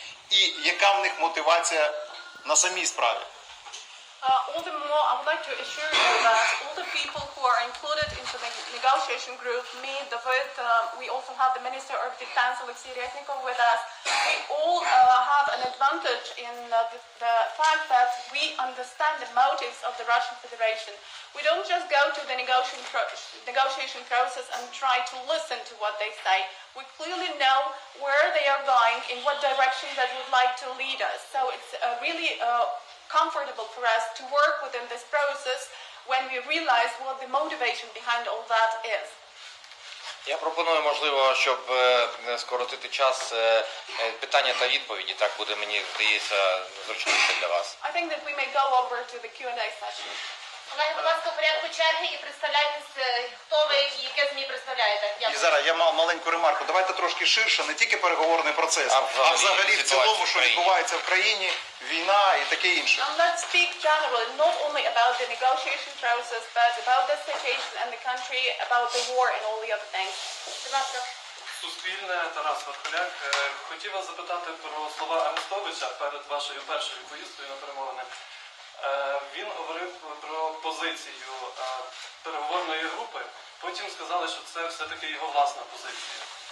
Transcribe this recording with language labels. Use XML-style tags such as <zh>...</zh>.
<uk>і яка в них мотивація на самій справі.</uk> <en>Furthermore, I would like to assure you that all the people who are included into the negotiation group, me, David, we also have the Minister of Defense, Alexei Ryaznikov, with us. We all have an advantage in the fact that we understand the motives of the Russian Federation. We don't just go to the negotiation process and try to listen to what they say. We clearly know where they are going, in what direction they would like to lead us. So it's really comfortable for us to work within this process when we realize what the motivation behind all that is.</en> <uk>Я пропоную, можливо, щоб скоротити час питання та відповіді, так буде мені здається зручніше для вас.</uk> <en>I think that we may go over to the Q&A session.</en> <uk>Олег, будь ласка, порядку черги і представляйтесь, хто ви і яке ЗМІ представляєте. І зараз я мав маленьку ремарку. Давайте трошки ширше, не тільки переговорний процес, а взагалі в цілому, що відбувається в країні, війна і таке інше.</uk> <en>And let's speak generally, not only about the negotiation process, but about the situation in the country, about the war and all the other things.</en> <uk>Будь ласка. Суспільне, Тарас Вархоляк. Хотів вас запитати про слова Арестовича перед вашою першою поїздкою на перемовини. Він говорив про позицію переговорної групи, потім сказали, що це все-таки його власна позиція.</uk>